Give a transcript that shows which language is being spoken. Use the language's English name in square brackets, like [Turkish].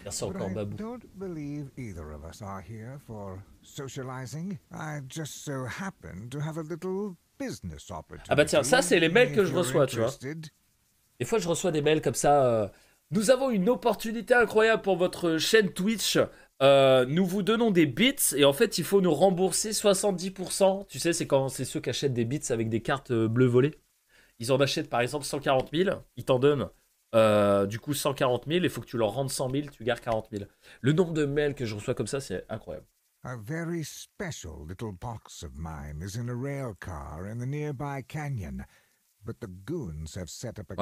[English] but I don't believe either of us are here for socializing. I just so happen to have a little business opportunity. [French] Ah bah tiens, ça c'est les mails que je reçois, tu vois. Des fois je reçois des mails comme ça. Nous avons une opportunité incroyable pour votre chaîne Twitch. Nous vous donnons des bits et en fait il faut nous rembourser 70%. Tu sais, c'est quand c'est ceux qui achètent des bits avec des cartes bleues volées. Ils en achètent par exemple 140 000, ils t'en donnent. Du coup 140 000, il faut que tu leur rendes 100 000, tu gardes 40 000. Le nombre de mails que je reçois comme ça, c'est incroyable. [English] A very special little box of mine is in a rail car in the nearby canyon, but the goons have set up a